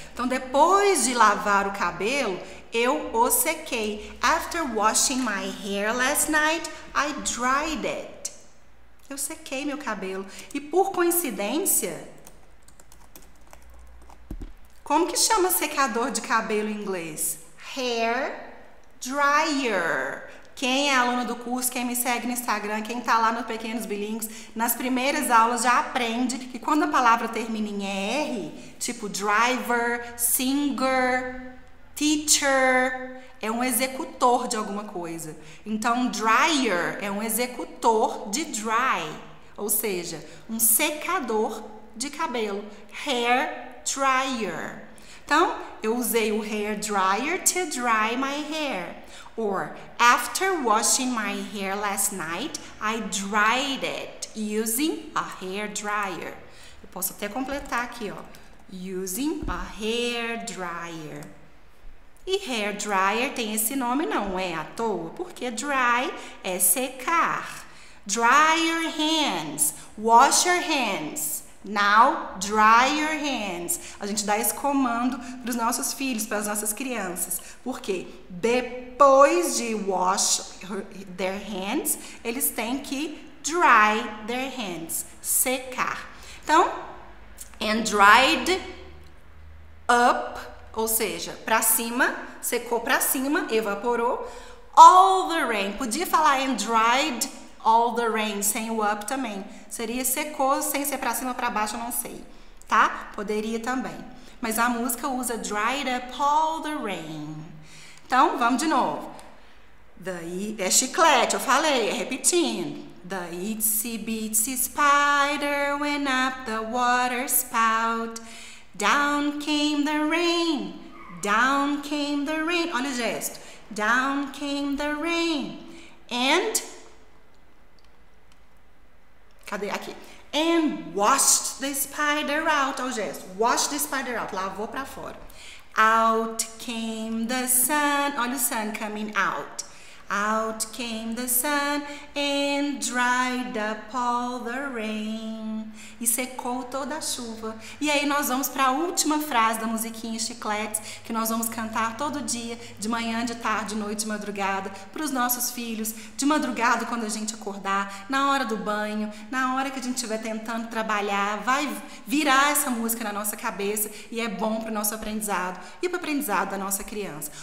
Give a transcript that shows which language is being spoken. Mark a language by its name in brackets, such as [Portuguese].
[Portuguese] Então, depois de lavar o cabelo, eu o sequei. [English] After washing my hair last night, I dried it. [Portuguese] Eu sequei meu cabelo. E por coincidência, como que chama secador de cabelo em inglês? Hair dryer. Quem é aluno do curso, quem me segue no Instagram, quem tá lá no Pequenos Bilíngues, nas primeiras aulas já aprende que quando a palavra termina em R, tipo driver, singer, teacher, é um executor de alguma coisa. Então, dryer é um executor de dry, ou seja, um secador de cabelo. [English] Hair dryer. [Portuguese] Então, eu usei o [English] hair dryer to dry my hair. Or, after washing my hair last night, I dried it using a hair dryer. [Portuguese] Eu posso até completar aqui, ó. [English] Using a hair dryer. [Portuguese] E hair dryer tem esse nome, não é à toa, porque dry é secar. [English] Dry your hands. Wash your hands. Now, dry your hands. [Portuguese] A gente dá esse comando para os nossos filhos, para as nossas crianças. Por quê? Depois de [English] wash their hands, [Portuguese] eles têm que [English] dry their hands, [Portuguese] secar. Então, [English] and dried up, [Portuguese] ou seja, para cima, secou para cima, evaporou, [English] all the rain. [Portuguese] Podia falar [English] and dried all the rain, [Portuguese] sem o up também. Seria secou, sem ser pra cima ou pra baixo, não sei. Tá? Poderia também. Mas a música usa [English] dried up all the rain. [Portuguese] Então, vamos de novo. É chiclete, eu falei, é repetindo. [English] The itsy bitsy spider went up the water spout. Down came the rain. Down came the rain. [Portuguese] Olha o gesto. [English] Down came the rain. And... [Portuguese] cadê? Aqui. [English] And washed the spider out. [Portuguese] Olha o gesto. [English] Washed the spider out. [Portuguese] Lavou pra fora. [English] Out came the sun. [Portuguese] Olha o [English] sun coming out. Out came the sun and dried up all the rain. [Portuguese] E secou toda a chuva. E aí nós vamos pra última frase da musiquinha Chicletes, que nós vamos cantar todo dia, de manhã, de tarde, noite, de madrugada, pros nossos filhos, de madrugada quando a gente acordar, na hora do banho, na hora que a gente estiver tentando trabalhar, vai virar essa música na nossa cabeça e é bom pro nosso aprendizado e pro aprendizado da nossa criança.